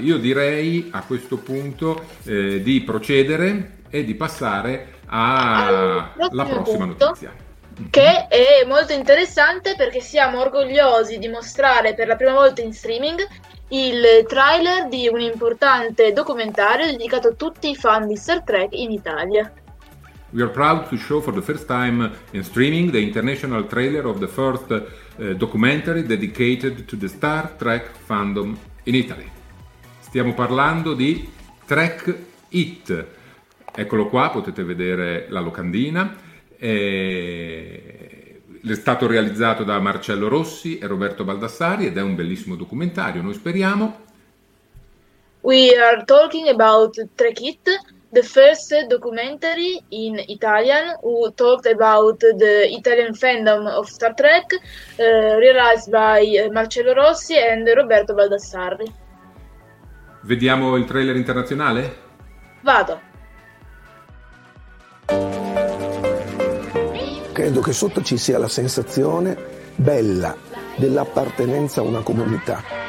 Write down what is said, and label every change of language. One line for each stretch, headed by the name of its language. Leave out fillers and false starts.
Italian: Io direi a questo punto di procedere e di passare alla prossima notizia. Che è molto interessante perché siamo orgogliosi di mostrare per la prima volta in streaming il trailer di un importante documentario dedicato a tutti i fan di Star Trek in Italia.
English: We are proud to show for the first time in streaming the international trailer of the first documentary dedicated to the Star Trek fandom in Italy.
Italian: Stiamo parlando di Trek It. Eccolo qua, potete vedere la locandina. È stato realizzato da Marcello Rossi e Roberto Baldassari ed è un bellissimo documentario, noi speriamo.
English: We are talking about Trek It, the first documentary in Italian who talked about the Italian fandom of Star Trek, realized by Marcello Rossi and Roberto Baldassari.
Italian: Vediamo il trailer internazionale? Vado. Credo che sotto ci sia la sensazione bella dell'appartenenza a una comunità.